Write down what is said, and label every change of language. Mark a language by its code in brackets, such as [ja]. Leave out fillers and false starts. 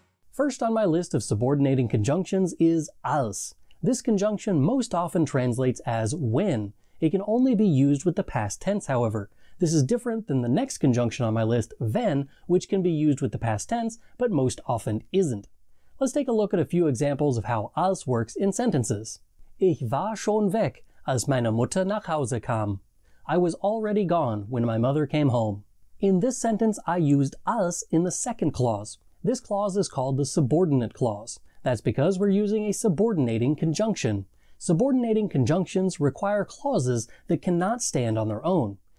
[en] First on my list of subordinating conjunctions is als. This conjunction most often translates as when. It can only be used with the past tense, however. This is different than the next conjunction on my list, wenn, which can be used with the past tense, but most often isn't. Let's take a look at a few examples of how als works in sentences. [de] Ich war schon weg, als meine Mutter nach Hause kam. [en] I was already gone when my mother came home. In this sentence, I used als in the second clause. This clause is called the subordinate clause. That's because we're using a subordinating conjunction. Subordinating conjunctions require clauses that cannot stand on their own.